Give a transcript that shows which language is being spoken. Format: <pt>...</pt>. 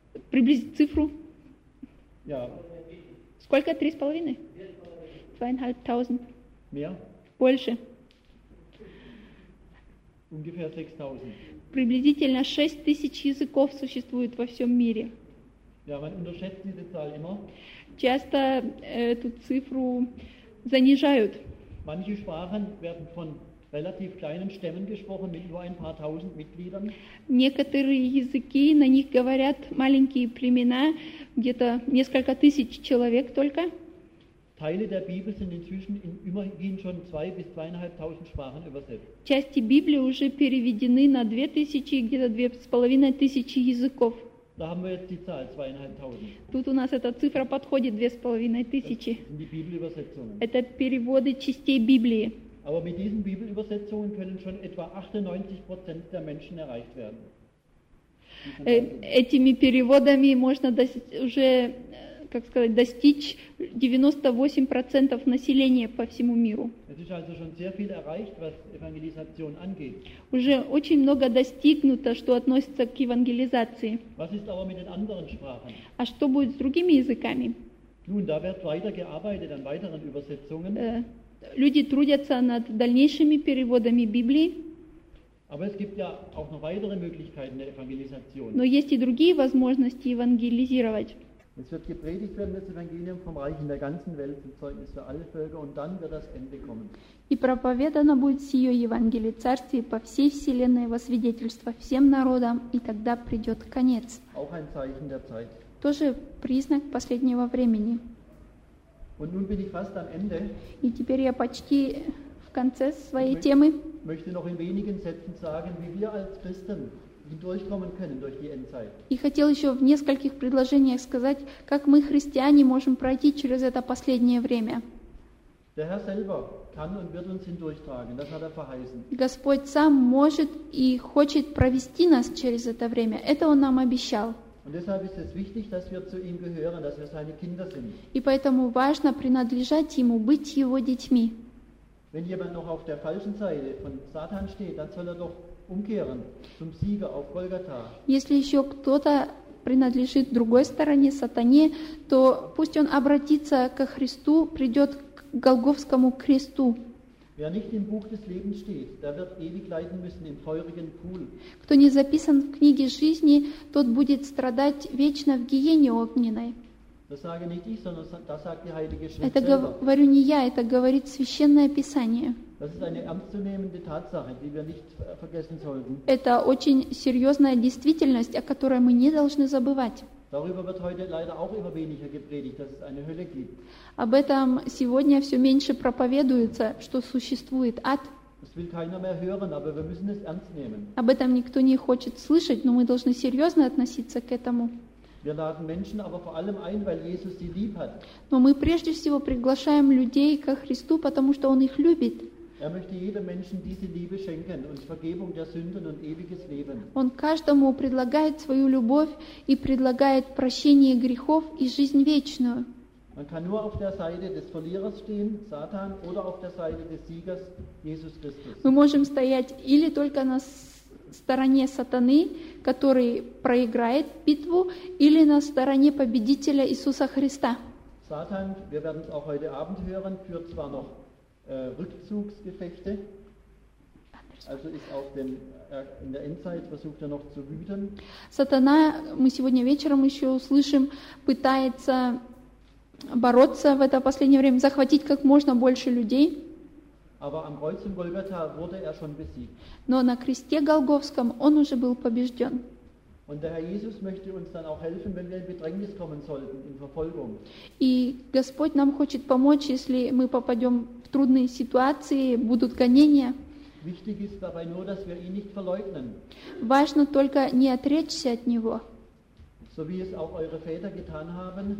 <ru>Приблизить цифру.</ru> <de>Ja.</de> <ru>Сколько? 3,5? 2,500.</ru> <de>Mehr?</de> <ru>Больше.</ru> <de>Ungefähr 6,000.</de> <ru>Приблизительно 6,000 языков существует во всем мире.</ru> <de>Ja, man unterschätzt diese Zahl immer.</de> <ru>Часто эту цифру занижают.</ru> <de>Manche Sprachen werden von relativ kleinen Stämmen gesprochen, mit nur ein paar tausend Mitgliedern.</de> <ru>Некоторые языки, на них говорят маленькие племена, где-то несколько тысяч человек только.</ru> <de>Teile der Bibel sind inzwischen in immerhin schon 2 bis 2,500 Sprachen übersetzt.</de> <ru>Части Библии уже переведены на 2000, где-то 2,500 языков.</ru> <de>Da haben wir jetzt die Zahl, 2,500.</de> <ru>Тут у нас эта цифра подходит 2,500.</ru> <de>Das sind die Bibelübersetzungen.</de> <ru>Это переводы частей Библии.</ru> <de>Aber mit diesen Bibelübersetzungen können schon etwa 98% der Menschen erreicht werden.</de> <ru>Этими переводами можно уже как сказать, достичь 98% населения по всему миру.</ru> <de>Es ist also schon sehr viel erreicht, was Evangelisation angeht.</de> <ru>Уже очень много достигнуто, что относится к евангелизации.</ru> <de>Was ist aber mit den anderen Sprachen?</de> <ru>А что будет с другими языками?</ru> <de>Nun, da wird weiter gearbeitet an weiteren Übersetzungen.</de> <ru>Люди трудятся над дальнейшими переводами Библии.</ru> <de>Aber es gibt ja auch noch weitere Möglichkeiten der Evangelisation.</de> <ru>Но есть и другие возможности евангелизировать.</ru> <de>Es wird gepredigt werden, das Evangelium vom Reich in der ganzen Welt zum Zeugnis für alle Völker, und dann wird das Ende kommen.</de> <ru>И проповедано будет сие Евангелие Царствие по всей вселенной во свидетельство всем народам, и тогда придет конец.</ru> <de>Auch ein Zeichen der Zeit.</de> <ru>Тоже признак последнего времени.</ru> <de>Und nun bin ich fast am Ende.</de> <ru>И теперь я почти в конце своей темы.</ru> <de>Ich möchte noch in wenigen Sätzen sagen, wie wir als Christen hindurchkommen können durch die Endzeit. Ich hätte noch in</de> <ru>нескольких предложениях сказать, как мы христиане можем пройти через это последнее время.</ru> <de>Der Herr selber kann und wird uns hindurchtragen, das hat er verheißen.</de> <ru>Господь сам может и хочет провести нас через это время. Это он нам обещал.</ru> <de>Und deshalb ist es wichtig, dass wir zu ihm gehören, dass wir seine Kinder sind.</de> <ru>И поэтому важно принадлежать ему, быть его детьми.</ru> <de>Wenn jemand noch auf der falschen Seite von Satan steht, dann soll er doch umkehren zum Sieger auf Golgatha.</de> <ru>Если еще кто-то принадлежит другой стороне, сатане, то пусть он обратится ко Христу, придет к Голгофскому кресту.</ru> <de>Wer nicht im Buch des Lebens steht, der wird ewig leiden müssen im feurigen Pool.</de> <ru>Кто не записан в книге жизни, тот будет страдать вечно в гиене огненной.</ru> <de>Das sage nicht ich, sondern das sagt die Heilige Schrift.</de> <ru>Это говорю не я, это говорит Священное Писание.</ru> <de>Das ist eine ernstzunehmende Tatsache, die wir nicht vergessen sollten.</de> <ru>Это очень серьезная действительность, о которой мы не должны забывать.</ru> <de>Darüber wird heute leider auch immer weniger gepredigt, dass es eine Hölle gibt.</de> <ru>Об этом сегодня все меньше проповедуется, что существует ад.</ru> <de>Das will keiner mehr hören, aber wir müssen es ernst nehmen.</de> <ru>Об этом никто не хочет слышать, но мы должны серьезно относиться к этому.</ru> <de>Wir laden Menschen aber vor allem ein, weil Jesus sie lieb hat.</de> <ru>Но мы прежде всего приглашаем людей ко Христу, потому что Он их любит.</ru> <de>Er möchte jedem Menschen diese Liebe schenken und Vergebung der Sünden und ewiges Leben.</de> <ru>Он каждому предлагает свою любовь и предлагает прощение грехов и жизнь вечную.</ru> <de>Man kann nur auf der Seite des Verlierers stehen, Satan, oder auf der Seite des Siegers, Jesus Christus.</de> <ru>Мы можем стоять или только на стороне сатаны, который проиграет битву, или на стороне победителя Иисуса Христа.</ru> <de>Сатан, wir werden es auch heute Abend hören, führt zwar noch Rückzugsgefechte, also ist auch den, in der Endzeit versucht noch zu wüten.</de> <ru>Сатана, мы сегодня вечером еще услышим, пытается бороться в это последнее время, захватить как можно больше людей.</ru> <de>Aber am Kreuz in Golgatha wurde er schon besiegt.</de> <ru>Но на кресте Голгофском он уже был побежден.</ru> <de>Und der Herr Jesus möchte uns dann auch helfen, wenn wir in Bedrängnis kommen sollten, in Verfolgung.</de> <ru>И Господь нам хочет помочь, если мы попадем в трудные ситуации, будут гонения.</ru> <de>Wichtig ist dabei nur, dass wir ihn nicht verleugnen.</de> <ru>Важно только не отречься от него.</ru> <de>So wie es auch eure Väter getan haben.</de>